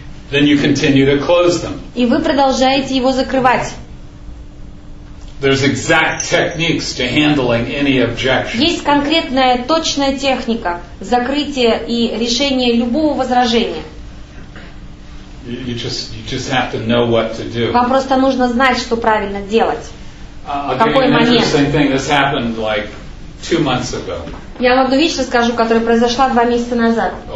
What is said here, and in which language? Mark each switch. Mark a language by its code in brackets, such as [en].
[en] Then you continue to close them. [ru] И вы продолжаете его закрывать. [en] There's exact techniques to handling any objection. [ru] Есть конкретная, точная техника закрытия и решения любого возражения. [en] You just have to know what to do. [ru] Вам просто нужно знать, что правильно делать. Какой момент. [en] This happened like 2 months ago. [ru] Я вам одну вещь расскажу, которая произошла 2 месяца назад.